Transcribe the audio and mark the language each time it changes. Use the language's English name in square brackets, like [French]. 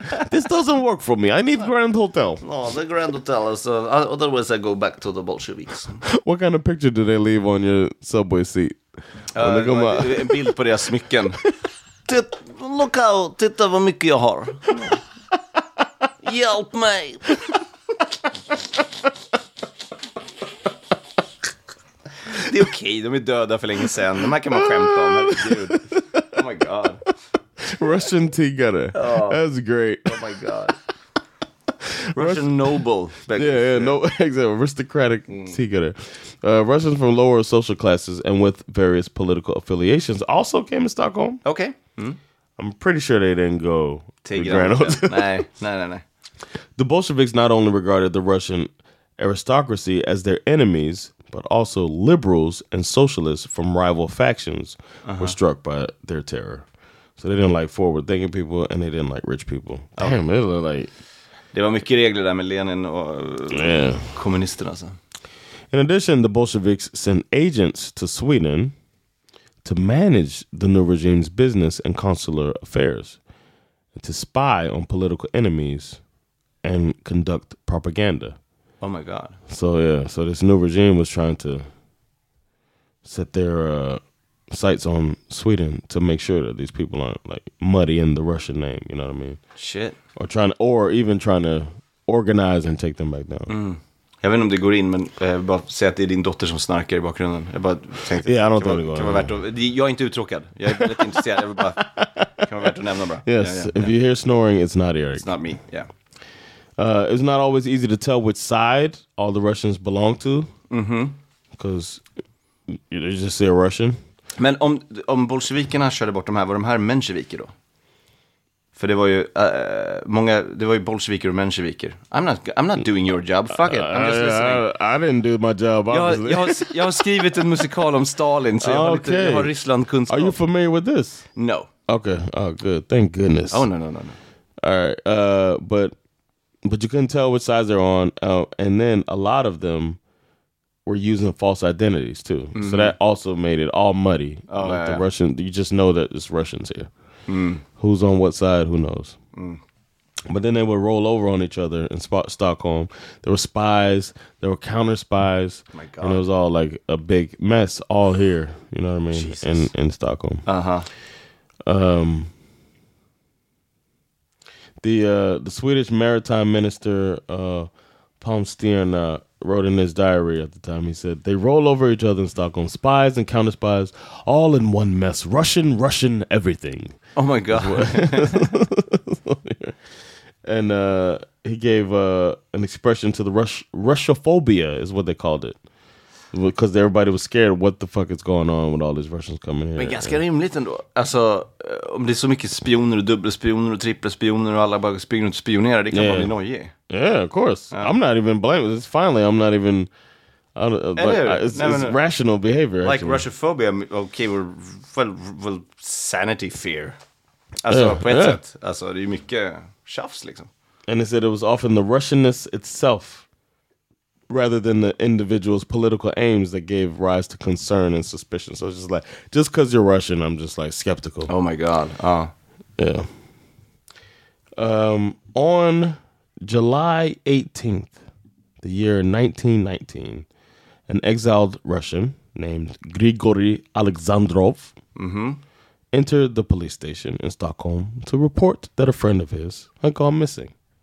[English] This doesn't work for me. I need Grand Hotel. No, the Grand Hotel is. Otherwise, I go back to the Bolsheviks. What kind of picture do they leave on your subway seat? [Swedish] En bild på deras smycken. [English] Look how, [Swedish] titta vad mycket jag har. Hjälp mig. Det är okej, de är döda för länge sedan. De här kan man skämta om. Herregud. [English] Oh my god. Russian tiggare. Oh. That's great. Oh my god. Russian noble. Exactly. Aristocratic tiggare. Russians from lower social classes and with various political affiliations also came to Stockholm. Okay. I'm pretty sure they didn't go to Grand Hotel. No. The Bolsheviks not only regarded the Russian aristocracy as their enemies, but also liberals and socialists from rival factions were struck by their terror. So they didn't like forward-thinking people, and they didn't like rich people. Damn, it was like... [Swedish] Det var mycket regler där med Lenin och kommunisterna. Så. [English] In addition, the Bolsheviks sent agents to Sweden to manage the new regime's business and consular affairs, and to spy on political enemies and conduct propaganda. Oh my god. So this new regime was trying to set their sights on Sweden to make sure that these people aren't like muddy in the Russian name, you know what I mean? Shit. Or even trying to organize and take them back down. Mm. [Swedish] Jag vet inte om det går in, men bara säga att det är din dotter som snarkar i bakgrunden. Jag bara tänkte, [English] yeah, I don't think it's going on. [Swedish] Jag är inte uttråkad. Jag är väldigt intresserad. Jag vill bara, kan vara värt att nämna bra. [English] Yes, yeah. If you hear snoring, it's not Eric. It's not me, yeah. It's not always easy to tell which side all the Russians belong to. Mm-hmm. Because they just say a Russian. [Swedish] Men om bolshevikerna körde bort de här, var de här mensheviker då? För det var ju många, det var ju bolsjeviker och mensjeviker. [English] I'm not doing your job, fuck it. I'm just listening. I didn't do my job, obviously. [Swedish] Jag har skrivit en musikal om Stalin, så jag har lite, jag har Ryssland kunskap. [English] Are you familiar with this? No. Okay, oh good, thank goodness. Oh no. All right, but you couldn't tell which sides they're on, and then a lot of them were using false identities too. Mm-hmm. So that also made it all muddy. The Russian, you just know that it's Russians here. Mm. Who's on what side, who knows? Mm. But then they would roll over on each other in Stockholm. There were spies. There were counter spies. Oh my God. And it was all like a big mess all here. You know what I mean? Jesus. In Stockholm. Uh-huh. The Swedish maritime minister, Palmstiern, wrote in his diary at the time, he said, they roll over each other in Stockholm, spies and counter spies, all in one mess. Russian, everything. Oh my God. And he gave an expression to the Russophobia is what they called it. Because everybody was scared what the fuck is going on with all these Russians coming here. [Swedish] Men ganska rimligt ändå. Alltså, om det är så mycket spioner och dubbelspioner och trippelspioner och alla bara springer ut och spionerar, det kan bara bli noje. [English] Yeah, of course. Yeah. I'm not even blaming. It's finally, I'm not even... It's rational behavior. Like Russophobia, okay, well, sanity fear. [Swedish] Alltså, [English] yeah, [Swedish] på ett sätt. Alltså, det är mycket tjafs liksom. [English] And they said it was often the Russianness itself, rather than the individual's political aims, that gave rise to concern and suspicion. So it's just like, just because you're Russian, I'm just like skeptical. Oh my God. Oh. Yeah. On July 18th, the year 1919, an exiled Russian named Grigory Alexandrov entered the police station in Stockholm to report that a friend of his had gone missing.